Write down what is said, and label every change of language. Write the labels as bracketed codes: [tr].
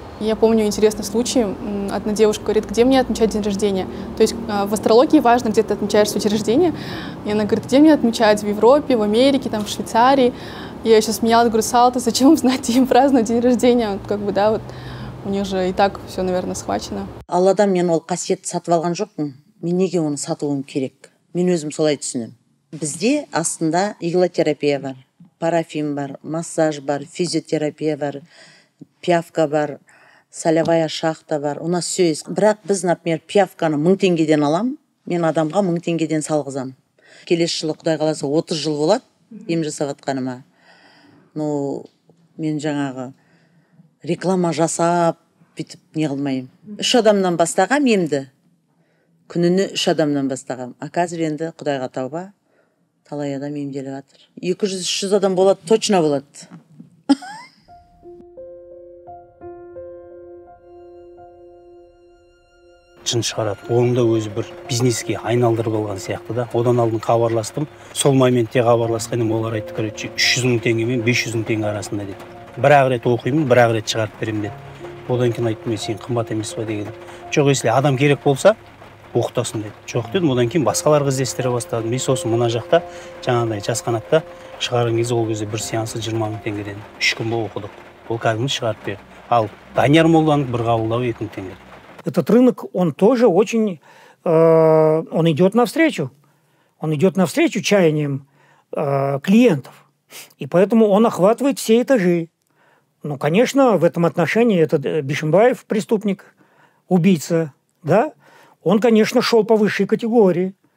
[ru] Я помню интересный случай. Одна девушка говорит: где мне отмечать день рождения? То есть в астрологии важно, где ты отмечаешь свой день рождения. И она говорит: где мне отмечать? В Европе, в Америке, там, в Швейцарии. И я еще смеялась, говорю: Салта, зачем знать, где праздновать день рождения? Как бы, да, вот у них же и так все, наверное, схвачено. [kk] Алладан мен ол қасиет сатып алған жоқпын. Мен неге оны сатуым керек? Мен өзім солай түсінем. Бізде астында иглотерапия бар, парафин бар, массаж бар, физиотерапия бар, пиявка бар. [ru] Солевая шахта бар, у нас все есть. [kk] Бірақ біз, например, пиявканы 1000 тенгеден алам, мен адамға 1000 тенгеден салғызам. Келесі жылы, Құдай қаласа, 30 жыл болады, ем жасаватқаныма. Ну, мен жаңағы реклама жасап, бүйтіп не қылмайым. Үш адамнан бастағам емді, күніні үш адамнан бастағам. А қазір енді Құдайға тауба, талай адам емделіп атыр. 200-300 адам болады, точно болады. Шын шығарады. Оның да өзі бір бизнеске айналдырып алған сияқты да. Одан алдын хабарластым. Сол моментте хабарласқаным, олар айтты, короче, 300 мың теңге мен 500 мың теңге арасында деді. Бір-ақ рет оқимын, бір-ақ рет шығарып беремін деді. Одан кейін айттым, мен сен қымбат емес па деген. Жоқ, если адам керек болса, оқытасың деді. Жоқ дедім, одан кейін басқаларға іздестіре бастадым. Мен сосын мына жақта, жаңағыдай жас қанатта шығарған кезде, ол кезде бір сеансы 20 мың теңгеден. 3 күн бойы оқыдық. Ол кәдімгі шығарып берді. Ал Данияр Молданың бір қабылдауы 2 мың теңге. [ru] Этот рынок, он тоже очень, он идет навстречу. Он идет навстречу чаяниям клиентов. И поэтому он охватывает все этажи. Ну, конечно, в этом отношении этот Бишимбаев, преступник, убийца, да, он, конечно, шел по высшей категории.